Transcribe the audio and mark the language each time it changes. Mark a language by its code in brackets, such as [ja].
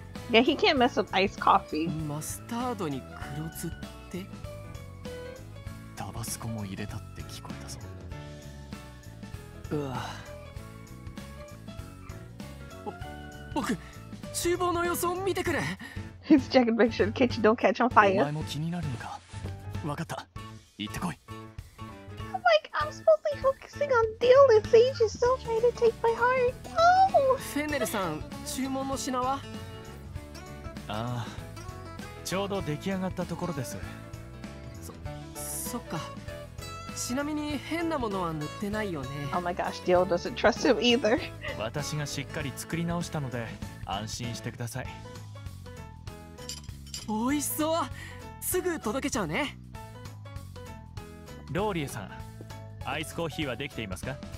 [en] Yeah, he can't mess up iced coffee. [ja] マスタードに黒酢って? タバスコも入れたって聞こえたぞ。うわ。僕、厨房の様子を見てくれ! [en] He's checking to make sure the kitchen don't catch on fire. [ja] お前も気になるのか?わかった。行ってこい。 [en] I'm like, I'm supposed to be focusing on Dill and Sage is still trying to take my heart. Oh! [ja] フェネルさん、注文の品は? ああ、ちょうど出来上がったところです。そっか。ちなみに変なものは塗ってないよね。Oh [en] my gosh, Dill doesn't trust him either. [ja] 私がしっかり作り直したので安心してください。美味しそう。すぐ届けちゃうね。ローリエさん、アイスコーヒーはできていますか？